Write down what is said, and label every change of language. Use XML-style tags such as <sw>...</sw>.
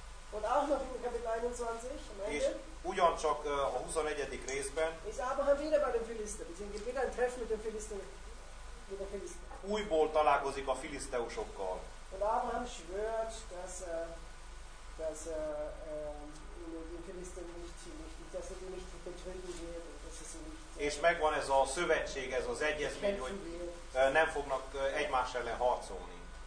<de>Und auch noch in Kapitel 21,</de> <hu>és ugyancsak a 21. részben. És Ábrahám</hu> <de>wieder bei den Philistern. Sie gibt wieder ein Treffen mit den Philistern.</de> <hu>Újból találkozik a filiszteusokkal.</hu> <de>Und Abraham schwört, dass die Philistern nicht betrügen wird.</de> <hu>És megvan ez a szövetség, ez az egyezmény, hogy nem fognak egymás ellen harcolni.</hu>